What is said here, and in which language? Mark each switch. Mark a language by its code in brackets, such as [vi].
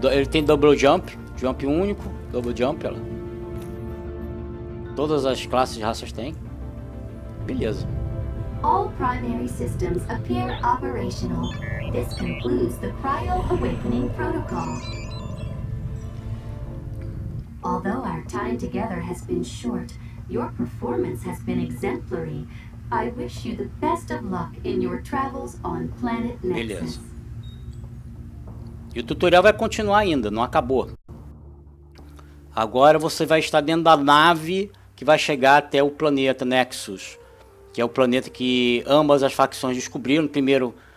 [pt] Ele tem double jump, jump único, double jump, olha lá. Todas as classes de raças têm. Beleza. [en] All primary systems appear operational. This concludes the Cryo Awakening Protocol. Although our time together has been short, your performance has been exemplary. I wish you the best of luck in your travels on Planet Nexus. [pt] Beleza. E o tutorial vai continuar ainda, não acabou. Agora você vai estar dentro da nave que vai chegar até o planeta Nexus, que é o planeta que ambas as facções descobriram primeiro.